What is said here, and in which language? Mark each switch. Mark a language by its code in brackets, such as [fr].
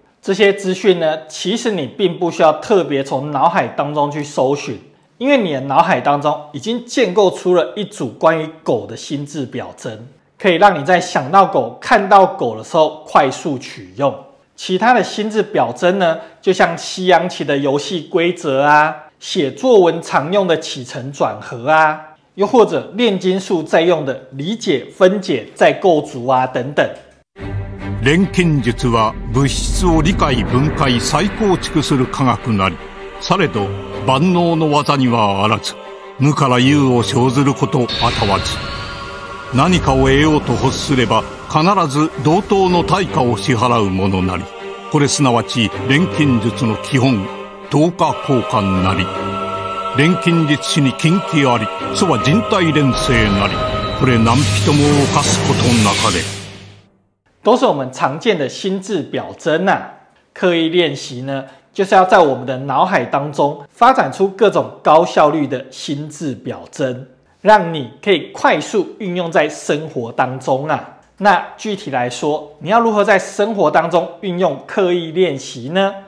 [zh] 这些资讯呢，其实你并不需要特别从脑海当中去搜寻，因为你的脑海当中已经建构出了一组关于狗的心智表征，可以让你在想到狗、看到狗的时候快速取用。其他的心智表征呢，就像西洋棋的游戏规则啊、写作文常用的起承转合啊、又或者炼金术在用的理解、分解、再构筑啊等等。 [ja] 錬金術は物質を理解、分解、再構築する科学なり。されど万能の技にはあらず、無から有を生ずることあたわず。何かを得ようと欲すれば、必ず同等の対価を支払うものなり。これすなわち錬金術の基本、等価交換なり。錬金術師に禁忌あり、そは人体錬成なり。これ何人も犯すことなかれ。 [zh] 都是我们常见的心智表征啊。刻意练习呢，就是要在我们的脑海当中发展出各种高效率的心智表征，让你可以快速运用在生活当中啊。那具体来说，你要如何在生活当中运用刻意练习呢？